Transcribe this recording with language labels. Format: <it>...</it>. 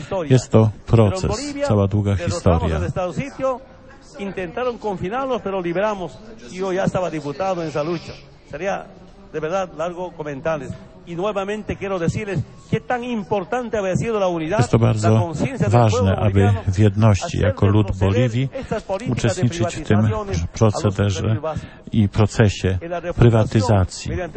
<pl>Jest to proces, cała długa historia.</pl> <es>Intentaron confinarlos, pero liberamos. Yo ya estaba diputado en esa lucha. Sería de verdad largo comentarles. Y nuevamente quiero decirles qué tan importante había sido la unidad.</es> <pl>Jest to bardzo ważne, aby w jedności jako lud Boliwii uczestniczyć w tym procederze i procesie prywatyzacji.</pl>